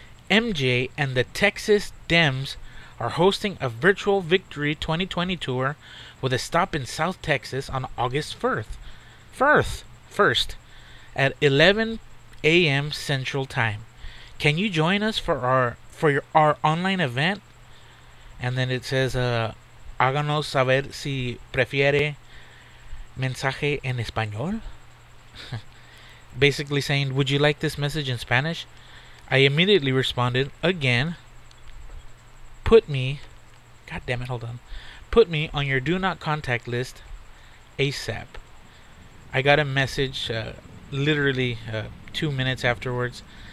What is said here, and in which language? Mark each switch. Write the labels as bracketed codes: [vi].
[en] MJ and the Texas Dems are hosting a virtual Victory 2020 tour with a stop in South Texas on August 1st at 11 a.m. Central Time. Can you join us for our online event? And then it says, [es] háganos saber si prefiere mensaje en español. [en] Basically saying, would you like this message in Spanish? I immediately responded, again, put me on your do not contact list ASAP. I got a message literally 2 minutes afterwards.